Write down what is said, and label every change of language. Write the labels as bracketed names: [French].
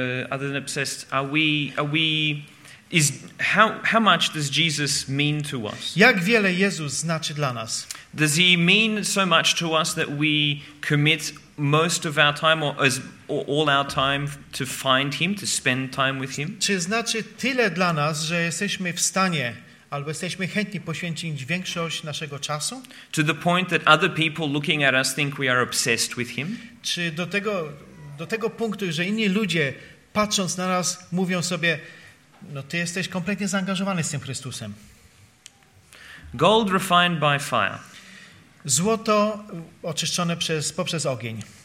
[English] Other than obsessed, are we is how much does Jesus mean to us? [Polish] Jak wiele Jezus znaczy dla nas? [English] Does he mean so much to us that we commit most of our time or all our time to find him, to spend time with him? [Polish] Czy znaczy tyle dla nas, że jesteśmy w stanie albo jesteśmy chętni poświęcić większość naszego czasu? [English] To the point that other people looking at us think we are obsessed with him? [Polish] Czy do tego punktu, że inni ludzie patrząc na nas mówią sobie, no ty jesteś kompletnie zaangażowany z tym Chrystusem. [English] Gold refined by fire. [Polish] Złoto oczyszczone poprzez ogień.